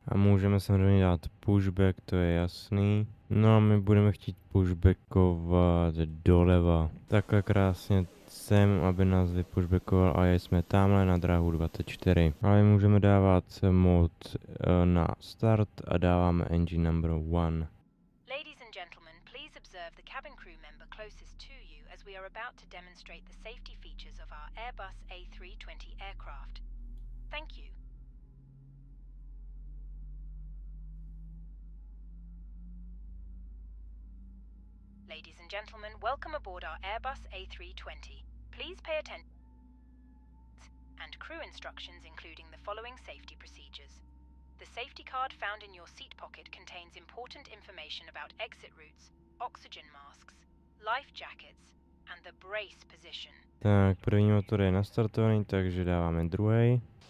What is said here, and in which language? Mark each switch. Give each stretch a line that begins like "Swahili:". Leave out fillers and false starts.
Czech: A můžeme samozřejmě dát pushback, to je jasný. No a my budeme chtít pushbackovat doleva. Takhle krásně sem, aby nás vypushbackoval a jsme tamhle na dráhu 24. Ale můžeme dávat mod na start a dáváme
English: engine number 1. Ladies and gentlemen, please observe the cabin crew member closest to you as we are about to demonstrate the safety features of our Airbus A320 aircraft. Thank you. Ladies and gentlemen, welcome aboard our Airbus A320. Please pay attention and crew instructions including the following safety procedures. The safety card found in your seat pocket contains important information about exit routes, oxygen masks, life jackets and the brace position.
Czech: Tak první motor je nastartovaný, takže dáváme druhý.